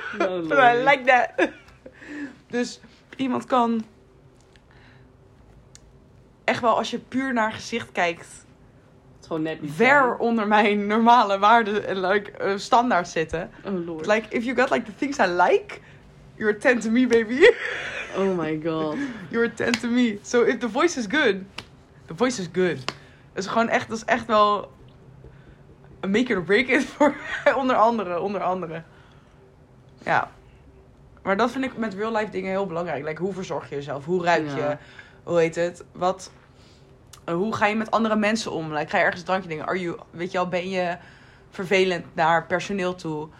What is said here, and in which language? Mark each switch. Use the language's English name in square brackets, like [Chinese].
[English] No, but I like that. [Dutch] Dus iemand kan echt wel, als je puur naar gezicht kijkt, het is gewoon net niet ver zijn. Onder mijn normale waarden en like, standaard zitten. [English] Oh lord. Like, if you got like the things I like, you're a 10 to me, baby. Oh my god. You're a 10 to me. So if the voice is good, the voice is good. [Dutch] Dat is gewoon echt, dat is echt wel een [English] make it or break it [Dutch] voor onder andere. Ja. Maar dat vind ik met real life dingen heel belangrijk. Like, hoe verzorg je jezelf? Hoe ruik je? Ja. Hoe heet het? Wat? Hoe ga je met andere mensen om? Like, ga je ergens drankje dingen? Weet je al, ben je vervelend naar personeel toe?